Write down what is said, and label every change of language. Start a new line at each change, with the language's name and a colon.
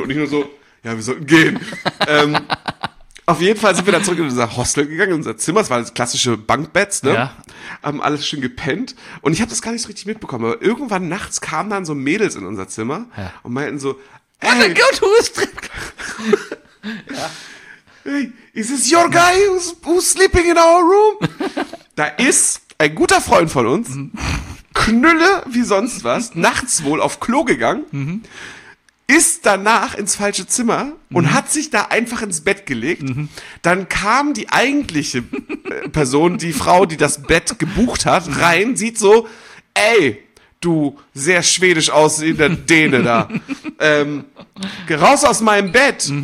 German: Und nicht nur so, ja, wir sollten gehen. Auf jeden Fall sind wir dann zurück in unser Hostel gegangen, in unser Zimmer. Es waren das klassische Bunkbeds, ne? Ja. Haben alles schön gepennt. Und ich habe das gar nicht so richtig mitbekommen. Aber irgendwann nachts kamen dann so Mädels in unser Zimmer und meinten so,
English: hey, oh
German: Gott,
English: who is
German: drin?
English: Hey, is this your guy who's sleeping in our room?
German: Da ist ein guter Freund von uns, Knülle wie sonst was, nachts wohl auf Klo gegangen, ist danach ins falsche Zimmer und hat sich da einfach ins Bett gelegt. Mhm. Dann kam die eigentliche Person, die Frau, die das Bett gebucht hat, rein, sieht so, ey, du sehr schwedisch aussehender Däne da, raus aus meinem Bett. Mhm.